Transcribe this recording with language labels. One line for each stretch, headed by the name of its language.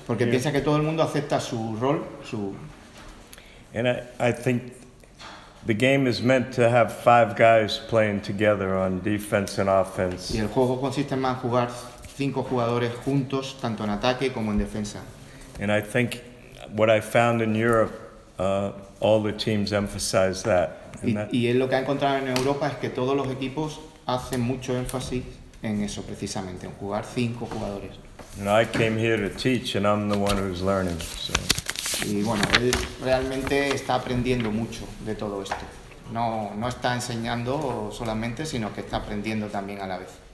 Spanish: Porque piensa que todo el mundo acepta su rol, su.
English: And I think the game is meant to have five guys playing together on defense and offense.
Spanish: Y el juego consiste más en jugar cinco jugadores juntos, tanto en ataque como en defensa.
English: And I think what I found in Europe, all the teams emphasize that.
Spanish: Y es lo que ha encontrado en Europa es que todos los equipos hacen mucho énfasis en eso precisamente, en jugar cinco jugadores.
English: And I came here to teach, and I'm the one who's learning. So.
Spanish: Y bueno, él realmente está aprendiendo mucho de todo esto. No está enseñando solamente, sino que está aprendiendo también a la vez.